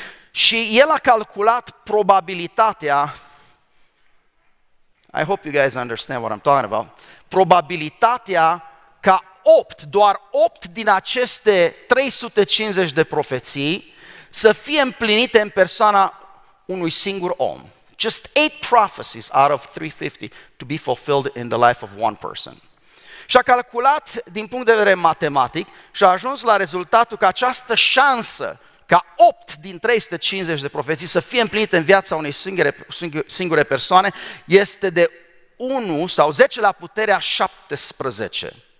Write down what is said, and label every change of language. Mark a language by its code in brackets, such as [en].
[ro] Și el a calculat probabilitatea, [en] I hope you guys understand what I'm talking about, [ro] probabilitatea ca 8, doar 8 din aceste 350 de profeții să fie împlinite în persoana unui singur om. [en] Just 8 prophecies out of 350 to be fulfilled in the life of one person. [ro] Și a calculat din punct de vedere matematic și a ajuns la rezultatul că această șansă ca 8 din 350 de profeții să fie împlinite în viața unei singure persoane este de 1 sau 10 la puterea 17.